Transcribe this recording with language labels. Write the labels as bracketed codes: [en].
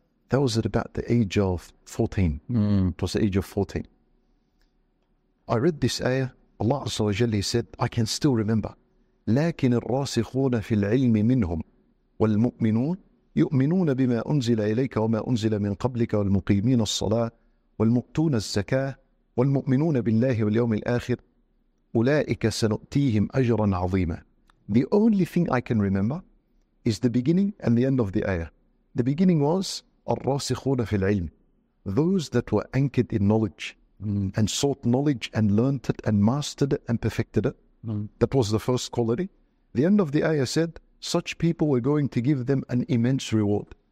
[en] That was at about the age of 14. It was the age of 14. I read this ayah. Allah Azza wa Jalla said, I can still remember. [ar] لكن الراسخون في العلم منهم والمؤمنون يؤمنون بما أنزل إليك وما أنزل من قبلك والمقيمين الصلاة والمؤتون الزكاة والمؤمنون بالله واليوم الآخر أولئك سنؤتيهم أجرا عظيما. [en] The only thing I can remember is the beginning and the end of the ayah. The beginning was [ar] الراسخون في العلم, [en] those that were anchored in knowledge and sought knowledge and learnt it and mastered it and perfected it. That was the first quality. The end of the ayah said, such people were going to give them an immense reward.